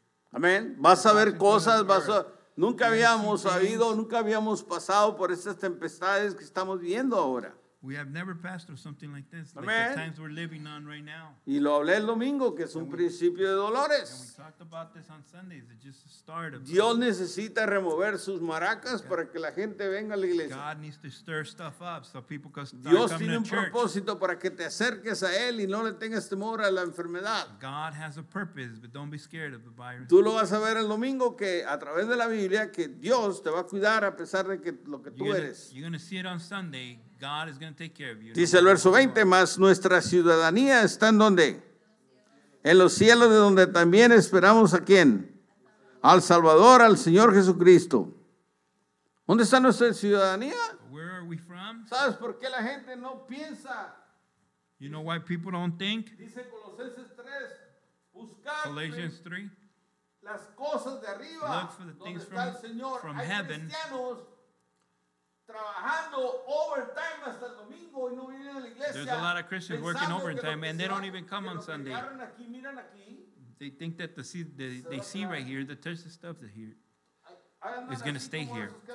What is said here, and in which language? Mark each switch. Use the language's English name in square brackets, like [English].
[Spanish] Amén. Vas a ver cosas, nunca habíamos sabido, nunca habíamos pasado por estas tempestades que estamos viendo ahora. [English] We have never passed through something like this, like the times we're living on right now. [Spanish] Y lo hablé el domingo, que es un principio de dolores. [English] And we talked about this on Sundays. It's just the start of. [Spanish] Dios necesita remover sus maracas para que la gente venga a la iglesia. [English] God needs to stir stuff up so people can start coming to church. [Spanish] tiene un propósito para que te acerques a él y no le tengas temor a la enfermedad. [English] God has a purpose, but don't be scared of the virus. [Spanish] Tú lo vas a ver el domingo, que a través de la Biblia, que Dios te va a cuidar a pesar de que lo que tú eres. [English] You're gonna see it on Sunday. God is going to take care of you. [Spanish] Dice el verso 20, más nuestra ciudadanía está en donde? En los cielos, de donde también esperamos a quién? Al Salvador, al Señor Jesucristo. ¿Dónde está nuestra ciudadanía? [English] Where are we from? [Spanish] ¿Sabes por qué la gente no piensa? [English] You know why people don't think? [Spanish] Dice Colosenses 3, buscar [English] Colossians 3. [Spanish] Las cosas de arriba. [English] Look for the things [Spanish] donde está el Señor. [English] From [Spanish] hay [English] heaven. [Spanish] Cristianos trabajando overtime hasta el domingo y no vienen a la iglesia. [English] There's a lot of Christians working overtime and they don't even come on Sunday. [Spanish] Aquí, miran aquí. [English] They think that they see right here, the touch of stuff that here is going to stay here.